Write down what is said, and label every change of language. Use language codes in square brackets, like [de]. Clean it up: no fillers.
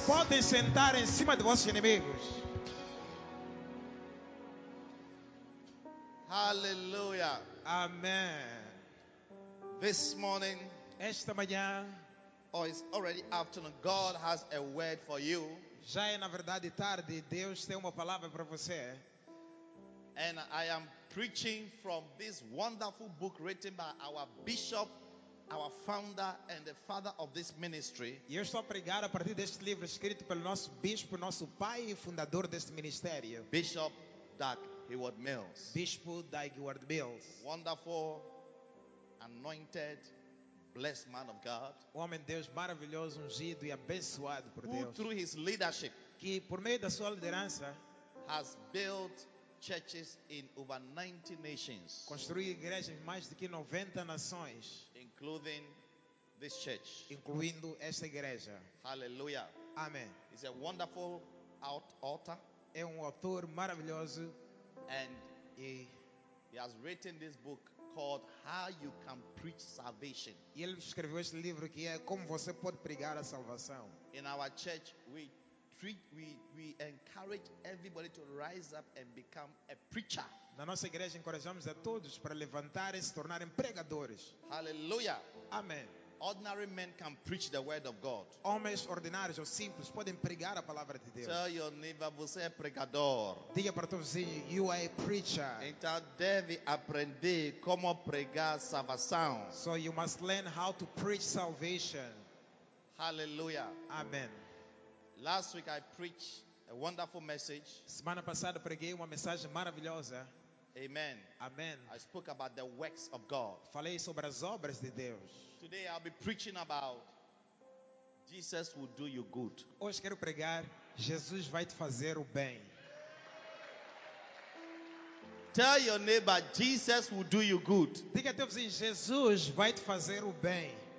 [pt] Pode sentar em cima de vossos inimigos. Hallelujah. Amen. [en] This morning, [pt] esta manhã, [en] or it's already afternoon, God has a word for you. [pt] Já é na verdade tarde, Deus tem uma palavra para você. [en] And I am preaching from this wonderful book written by our bishop, our founder and the father of this ministry. [pt] E eu estou a pregar a partir deste livro escrito pelo nosso bispo, nosso pai e fundador deste ministério. [en] Bishop Doug Heward Mills. [pt] Bispo Doug Heward Mills. [en] Wonderful, anointed, blessed man of God. [pt] O homem de Deus maravilhoso, ungido e abençoado por [en] who, [pt] Deus. [en] Through his leadership, [pt] que por meio da sua liderança, [en] has built churches in over 90 nations. [pt] Construiu igrejas em mais de 90 nações, [en] including this church. [pt] Incluindo esta igreja. Hallelujah. Amen. [en] He's a wonderful author. [pt] É autor maravilhoso. [en] And he has written this book called How You Can Preach Salvation. [pt] E ele escreveu este livro que é Como Você Pode Pregar a Salvação. [en] In our church, we encourage everybody to rise up and become a preacher. [pt] Na nossa igreja encorajamos a todos para levantarem e se tornarem pregadores. Hallelujah. Amen. [en] Ordinary men can preach the word of God. [pt] Homens ordinários ou simples podem pregar a palavra de Deus. [en] Tell your neighbor, [pt] você é pregador. Diga para o teu vizinho, [en] you are a preacher. [pt] Então deve aprender como pregar salvação. [en] So you must learn how to preach salvation. Hallelujah. Amen. Last week I preached a wonderful message. [pt] Semana passada preguei uma mensagem maravilhosa. Amen. Amen. [en] I spoke about the works of God. [pt] Falei sobre as obras de Deus. [en] Today I'll be preaching about Jesus will do you good. [pt] Hoje quero pregar Jesus vai te fazer o bem. [en] Tell your neighbor Jesus will do you good. [pt] Diga ao teu vizinho, Jesus vai te fazer o bem.